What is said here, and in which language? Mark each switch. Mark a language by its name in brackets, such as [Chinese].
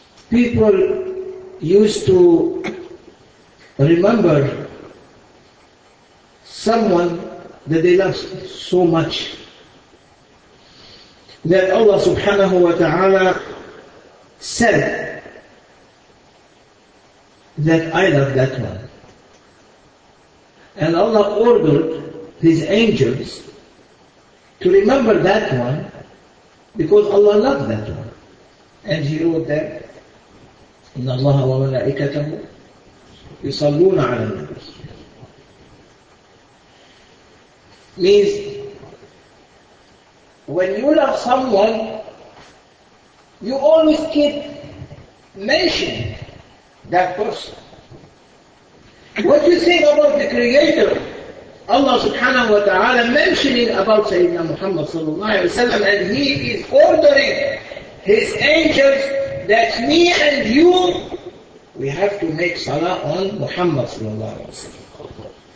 [English] people used to remember someone that they loved so much that Allah subhanahu wa ta'ala said that I love that one. And Allah ordered His angels to remember that one because Allah loved that one. And He wrote that, [Arabic] إِنَّ اللَّهَ وَمَلَائِكَتَهُ يُصَلُّونَ عَلَى النَّبِيِّ. [English] Means, when you love someone, you always keep mentioning that person. What do you think about the Creator, Allah subhanahu wa ta'ala, mentioning about Sayyidina Muhammad sallallahu alayhi wa sallam, and He is ordering His angels that me and you, we have to make salah on Muhammad sallallahu alayhi wa sallam.